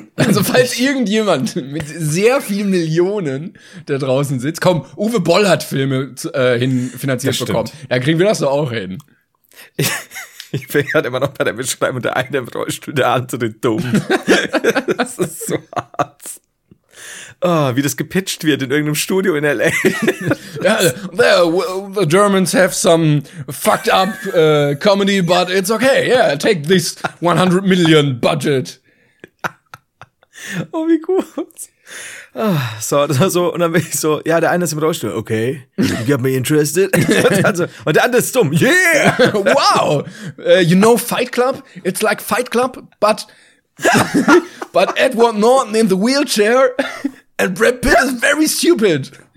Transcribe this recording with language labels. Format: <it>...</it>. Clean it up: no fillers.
<de>falls irgendjemand mit sehr vielen Millionen da draußen sitzt, komm, Uwe Boll hat Filme finanziert bekommen. Da kriegen wir das doch auch hin. Ich bin gerade immer noch bei der Beschreibung, der eine im Rollstuhl, der andere dumm. Das ist so hart. Oh, wie das gepitcht wird in irgendeinem Studio in L.A.</de> <en>The Germans have some fucked up comedy, but it's okay. Yeah, take this 100 million budget.</en> <de>Oh, wie gut. So, das war so, und dann bin ich so, ja, der eine ist im Rollstuhl,</de> <en>okay, you got me interested.</en> <de>Und der andere ist dumm, yeah,</de> <en>wow, you know Fight Club, it's like Fight Club, but Edward Norton in the wheelchair, and Brad Pitt is very stupid.</en>